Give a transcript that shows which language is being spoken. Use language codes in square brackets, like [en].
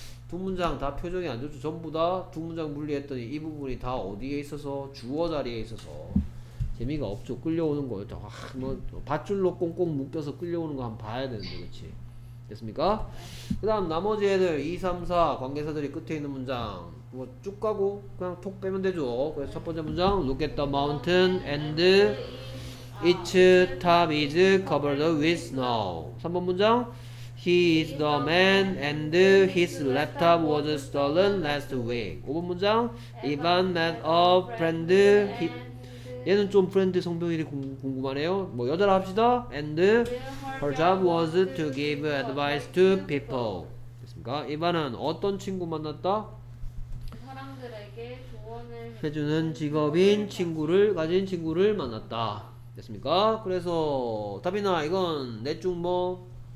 [ko] 두 문장 다 표정이 안 좋죠. 전부 다 두 문장 분리했더니 이 부분이 다 어디에 있어서 주어 자리에 있어서 재미가 없죠. 끌려오는 거 다 뭐 밧줄로 꽁꽁 묶여서 끌려오는 거 한번 봐야 되는데 그렇지. 됐습니까? 그 다음 나머지 애들 2, 3, 4 관계사들이 끝에 있는 문장 뭐 쭉 가고 그냥 톡 빼면 되죠. 그래서 첫 번째 문장 [en] Look at the mountain and its top is covered with snow. [ko] 3번 문장 [en] He is the man and his laptop was stolen last week. [ko] 5번 문장 [en] Evan met a friend. [ko] 얘는 좀 프렌드 성별이 궁금하네요. 뭐 여자라 합시다. [en] And her job was to give advice to people. [ko] 됐습니까? 이번은 어떤 친구 만났다? 사람들에게 조언을 해주는 직업인 친구를 가진 친구를 만났다. 됐습니까? 그래서 답이나 이건 넷 중 뭐?